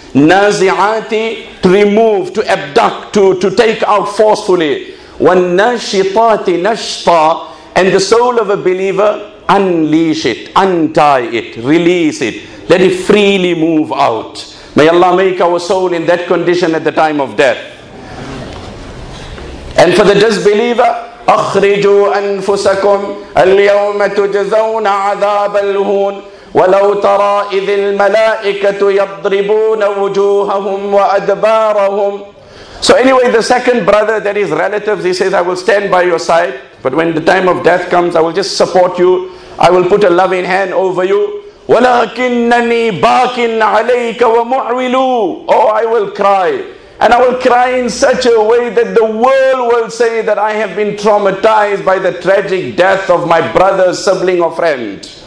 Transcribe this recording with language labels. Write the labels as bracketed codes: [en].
[en] Nazi'ati, to remove, to abduct, to take out forcefully. [ar] وَالنَّاشِطَاتِ نَشْطَى. [en] And the soul of a believer, unleash it, untie it, release it. Let it freely move out. May Allah make our soul in that condition at the time of death. And for the disbeliever, [ar] أخرجوا أنفسكم اليوم تجزون عذاب الهون ولو ترى إذ الملائكة يضربون وجوههم وأدبارهم. [en] So anyway, the second brother, that is relatives, he says, I will stand by your side, but when the time of death comes, I will just support you. I will put a loving hand over you. [ar] ولكنني باك عليك ومعول. [en] Oh, I will cry. And I will cry in such a way that the world will say that I have been traumatized by the tragic death of my brother, sibling or friend.